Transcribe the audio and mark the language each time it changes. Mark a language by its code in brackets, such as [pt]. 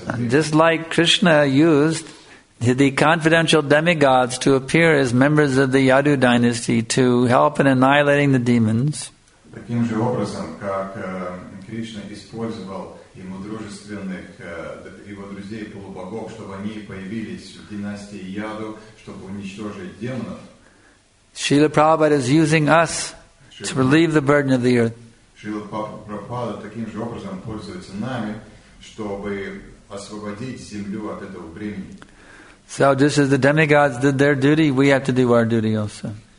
[en] Just like Krishna used the confidential demigods to appear as members of the Yadu dynasty to help in annihilating the demons. [ru] Таким же образом, как Кришна использовал ему дружественных его друзей полубогов, чтобы они появились в династии Яду, чтобы уничтожить демонов. [en] Шрила Прабхупада is using us to relieve the burden of the earth. [ru] Шрила Прабхупада таким же образом пользуется нами, чтобы освободить землю от этого бремени. [en] So just as the demigods did their duty, we have to do our duty also.